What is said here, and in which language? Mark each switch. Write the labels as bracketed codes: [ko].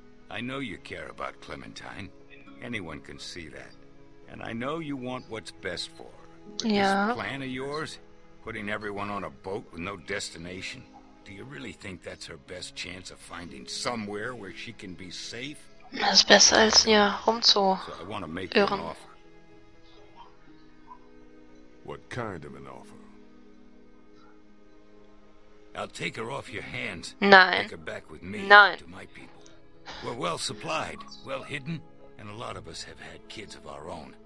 [en] I know you care about Clementine. Anyone can see that. And I know you want what's best for her. But yeah. This plan of yours... Putting everyone on a boat with no destination. Do you really think that's her best chance of finding somewhere where she can be safe? [de] Das ist besser als hier rumzuirren. [en] So I want to make you an offer. What kind of an offer? I'll take her off your hands. [de] Nein. [en] Take her back with me. [de] Nein. [en] To my people. We're well supplied, well hidden, and a lot of us have had kids of our own.